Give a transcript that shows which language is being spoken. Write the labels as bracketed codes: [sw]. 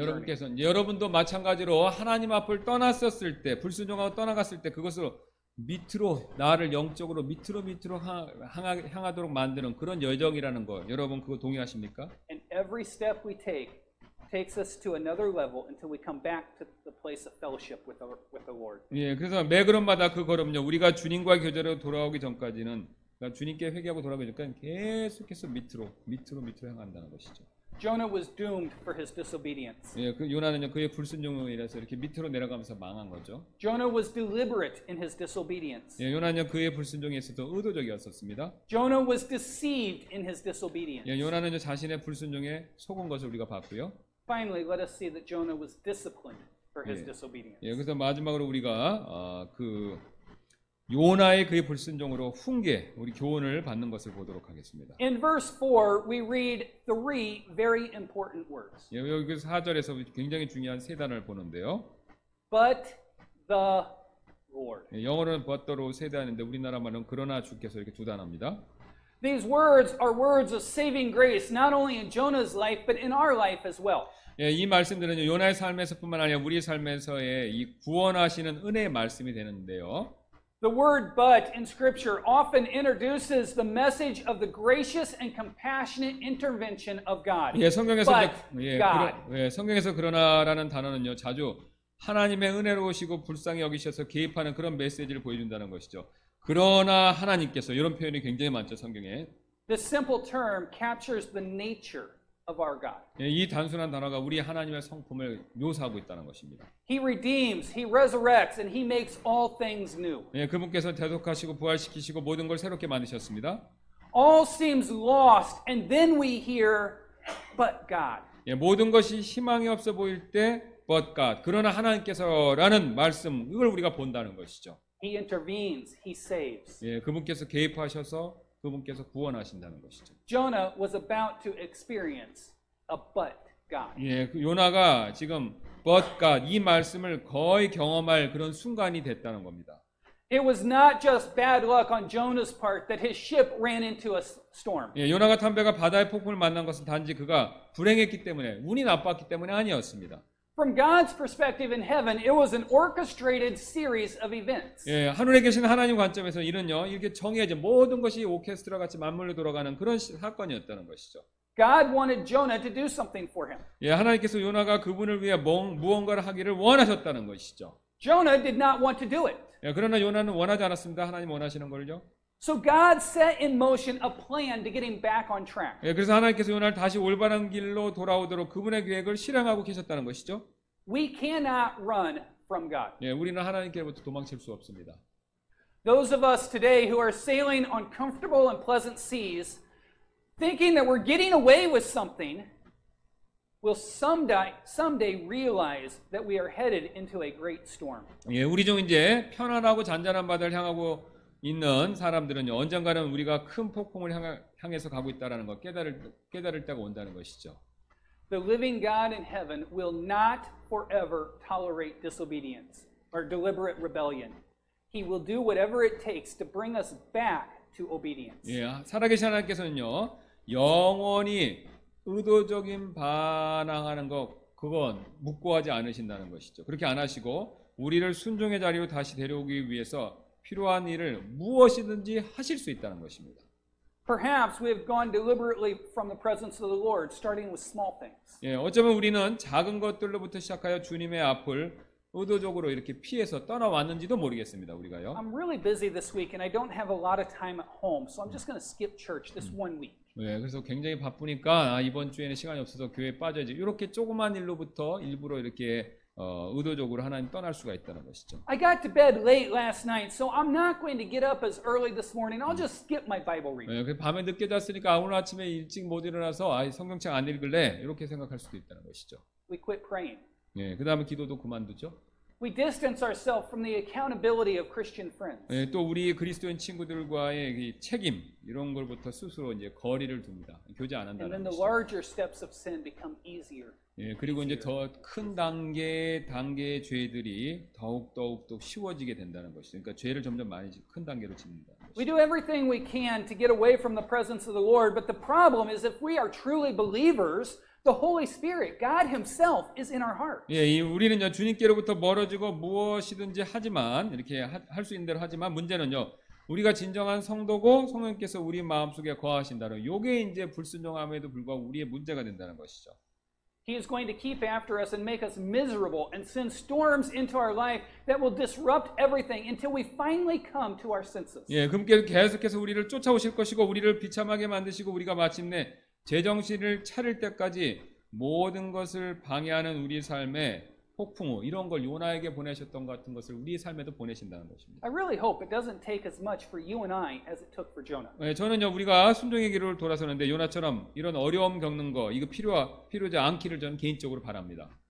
[ko] 아, 여러분께서는 여러분도 마찬가지로 하나님 앞을 떠났었을 때, 불순종하고 떠나갔을 때 그것으로 밑으로 나를 영적으로 밑으로 향하도록 만드는 그런 여정이라는 거 여러분 그거 동의하십니까? [en] And every step we take takes us to another level until we come back to the place of fellowship with the Lord. [ko] 예, 그래서 매 걸음마다 그 걸음요. 우리가 주님과 교제로 돌아오기 전까지는 주님께 회개하고 돌아가니까 계속해서 밑으로 향한다는 것이죠. [en] Jonah was doomed for his disobedience. [ko] 예, 그 요나는요 그의 불순종으로 인해서 이렇게 밑으로 내려가면서 망한 거죠. [en] Jonah was deliberate in his disobedience. [ko] 예, 요나는요 그의 불순종에서도 의도적이었었습니다. [en] Jonah was deceived in his disobedience. [ko] 예, 요나는요 자신의 불순종에 속은 것을 우리가 봤고요. [en] Finally, let us see that Jonah was disciplined for his disobedience. [ko] 예, 그래서 마지막으로 우리가 요나의 그의 불순종으로 훈계, 우리 교훈을 받는 것을 보도록 하겠습니다. [en] In verse 4, we read three very important words. [ko] 여기 4절에서 굉장히 중요한 세 단어를 보는데요. [en] But the Lord. [ko] 영어로는 [en] but the [ko] 로 세 단어인데 우리나라 말로는 그러나 주께서 이렇게 두 단어입니다. [en] These words are words of saving grace, not only in Jonah's life, but in our life as well. [ko] 예, 이 말씀들은 요나의 삶에서뿐만 아니라 우리의 삶에서의 이 구원하시는 은혜의 말씀이 되는데요. [en] The word but in scripture often introduces the message of the gracious and compassionate intervention of God. [ko] 예, 성경에서 but 예, God. 그러, 예, 성경에서 그러나라는 단어는요, 자주 하나님의 은혜로우시고 불쌍히 여기셔서 개입하는 그런 메시지를 보여준다는 것이죠. 그러나 하나님께서 이런 표현이 굉장히 많죠, 성경에. [en] This simple term captures the nature of our God. [ko] 예, 이 단순한 단어가 우리 하나님의 성품을 묘사하고 있다는 것입니다. [en] He redeems, he resurrects and he makes all things new. [ko] 예, 그분께서 대속하시고 부활시키시고 모든 걸 새롭게 만드셨습니다. [en] All seems lost and then we hear but God. [ko] 예, 모든 것이 희망이 없어 보일 때 [en] but God. [ko] 그러나 하나님께서라는 말씀 이걸 우리가 본다는 것이죠. [en] He intervenes, he saves. [ko] 예, 그분께서 개입하셔서 그분께서 구원하신다는 것이죠. [en] Jonah was about to experience a but God. [ko] 예, 요나가 지금 [en] but God [ko] 이 말씀을 거의 경험할 그런 순간이 됐다는 겁니다. [en] It was not just bad luck on Jonah's part that his ship ran into a storm. [ko] 예, 요나가 탄 배가 바다의 폭풍을 만난 것은 단지 그가 불행했기 때문에 운이 나빴기 때문에 아니었습니다. [en] From God's perspective in heaven, it was an orchestrated series of events. [ko] 예, 하늘에 계신 하나님 관점에서 이는요, 이렇게 정해진 모든 것이 오케스트라 같이 맞물려 돌아가는 그런 사건이었다는 것이죠. [en] God wanted Jonah to do something for him. [ko] 예, 하나님께서 요나가 그분을 위해 무언가를 하기를 원하셨다는 것이죠. [en] Jonah did not want to do it. [ko] 예, 그러나 요나는 원하지 않았습니다. 하나님 원하시는 걸요. [en] So God set in motion a plan to get him back on track. [ko] 예, 그래서 하나님께서 요나를 다시 올바른 길로 돌아오도록 그분의 계획을 실행하고 계셨다는 것이죠. [en] We cannot run from God. [ko] 예, 우리는 하나님께로부터 도망칠 수 없습니다. [en] Those of us today who are sailing on comfortable and pleasant seas, thinking that we're getting away with something, will someday realize that we are headed into a great storm. [ko] 예, 우리 중 이제 편안하고 잔잔한 바다를 향하고 있는 사람들은요, 언젠가는 우리가 큰 폭풍을 향해서 가고 있다라는 것 깨달을 때가 온다는 것이죠. [en] The living God in heaven will not forever tolerate disobedience or deliberate rebellion. He will do whatever it takes to bring us back to obedience. [ko] 예, 살아계신 하나님께서는요, 영원히 의도적인 반항하는 것 그건 묵고하지 않으신다는 것이죠. 그렇게 안 하시고 우리를 순종의 자리로 다시 데려오기 위해서 필요한 일을 무엇이든지 하실 수 있다는 것입니다. [en] Perhaps we have gone deliberately from the presence of the Lord, starting with small things. [ko] 예, 어쩌면 우리는 작은 것들로부터 시작하여 주님의 앞을 의도적으로 이렇게 피해서 떠나왔는지도 모르겠습니다, 우리가요. [en] I'm really busy this week and I don't have a lot of time at home, so I'm just going to skip church this one week. [ko] 예, 그래서 굉장히 바쁘니까 아, 이번 주에는 시간이 없어서 교회에 빠져야지. 이렇게 조그만 일로부터 일부러 이렇게 의도적으로 하나님 떠날 수가 있다는 것이죠. [en] I got to bed late last night, so I'm not going to get up as early this morning. I'll just skip my Bible reading. [ko] 네, 밤에 늦게 잤으니까 오늘 아침에 일찍 못 일어나서 아예 성경책 안 읽을래 이렇게 생각할 수도 있다는 것이죠. [en] We quit praying. [ko] 네, 그 다음에 기도도 그만두죠. [en] We distance ourselves from the accountability of Christian friends. [ko] 네, 또 우리 그리스도인 친구들과의 이 책임 이런 걸부터 스스로 이제 거리를 둡니다. 교제 안 한다는 것이죠. [en] And then the larger steps of sin become easier. [ko] 예, 그리고 이제 더 큰 단계의 죄들이 더욱 쉬워지게 된다는 것이죠. 그러니까 죄를 점점 많이 큰 단계로 짓는다. [en] We do everything we can to get away from the presence of the Lord, but the problem is if we are truly believers, the Holy Spirit, God Himself, is in our heart. [ko] 예, 우리는요 주님께로부터 멀어지고 무엇이든지 하지만 이렇게 할 수 있는 대로 하지만 문제는요 우리가 진정한 성도고 성령께서 우리 마음 속에 거하신다는 요게 이제 불순종함에도 불구하고 우리의 문제가 된다는 것이죠. [en] He is going to keep after us and make us miserable and send storms into our life that will disrupt everything until we finally come to our senses. [ko] 예, 그분께서 계속해서 우리를 쫓아오실 것이고 우리를 비참하게 만드시고 우리가 마침내 제정신을 차릴 때까지 모든 것을 방해하는 우리 삶에 폭풍우 이런 걸 요나에게 보내셨던 것 같은 것을 우리 삶에도 보내신다는 것입니다. [en] I really hope it doesn't take as much for you and I as it took for Jonah. [ko] 예, 저는요 우리가 순종의 길을 돌아서는데 요나처럼 이런 어려움 겪는 거 이거 필요하지 않기를 저는 개인적으로 바랍니다.